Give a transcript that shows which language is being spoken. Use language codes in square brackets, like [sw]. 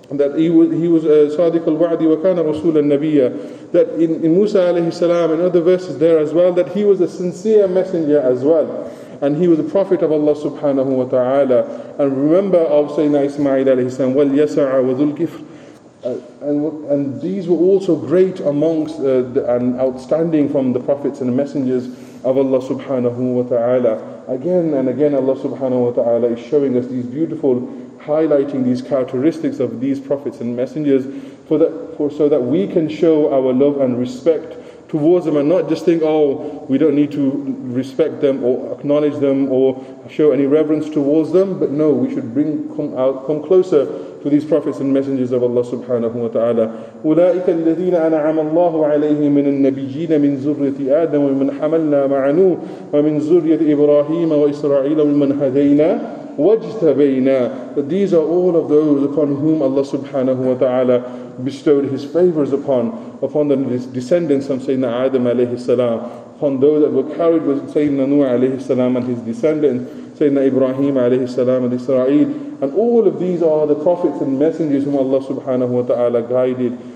[en] That he was [ar] صادق الوعد وكان رسول النبي. [en] That in Musa alayhi salam and other verses there as well, that he was a sincere messenger as well. And he was a prophet of Allah subhanahu wa ta'ala. And remember of Sayyidina Ismail alayhi salam, [ar] وَالْيَسَعَ وَذُلْكِفْرِ. [en] And these were also great amongst and outstanding from the prophets and the messengers of Allah subhanahu wa ta'ala. Again and again, Allah subhanahu wa ta'ala is showing us these beautiful, highlighting these characteristics of these prophets and messengers so that we can show our love and respect towards them, and not just think, oh, we don't need to respect them or acknowledge them or show any reverence towards them, but no, we should come closer to these prophets and messengers of Allah subhanahu wa ta'ala. [ar] أولئك الذين أنعم الله عليهم من النبيين من ذرية آدم ومن حملنا مع نوح ومن ذرية إبراهيم وإسرائيل ومن هدينا واجتبينا. [en] But these are all of those upon whom Allah subhanahu wa ta'ala bestowed his favors upon the descendants of Sayyidina Adam alayhi salam, upon those that were carried with Sayyidina Nuh alayhi salam and his descendants, Sayyidina Ibrahim alayhi salam and Israel. And all of these are the prophets and messengers whom Allah subhanahu wa ta'ala guided.